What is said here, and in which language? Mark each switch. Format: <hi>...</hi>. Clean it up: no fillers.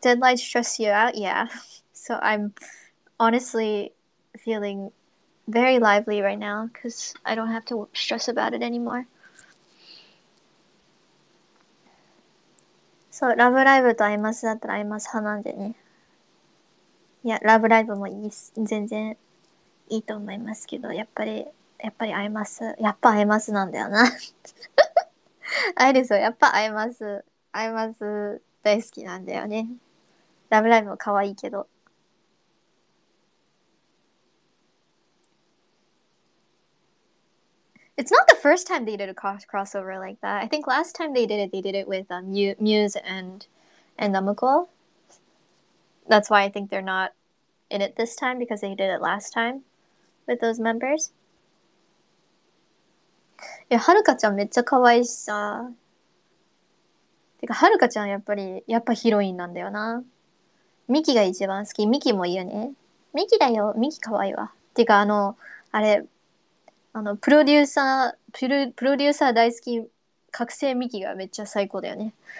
<en>deadline stress you out? Yeah. So I'm honestly feeling very lively right now because I don't have to stress about it anymore.</en> <ja>So, Love Live と IMAS だったら IMAS 派なんでね。 Yeah, Love Live もいい、全然いいと思いますけど、やっぱり会えます。やっぱ会えますなんだよな。アイリスはやっぱ会えます。会えます大好きなんだよね。Love Live も可愛いけど。</ja> <en>It's not the first time they did a crossover like that. I think last time they did it with Muse and Namco. That's why I think they're not in it this time because they did it last time with those members.</en> <ja>Yeah, Haruka-chan めっちゃ可愛いしさ。てか、Haruka-chan やっぱヒロインなんだよな。ミキが一番好き。ミキもいいよね。ミキだよ。ミキ可愛いわ。てか、プロデューサー大好き、覚醒ミキがめっちゃ最高だよね。</ja>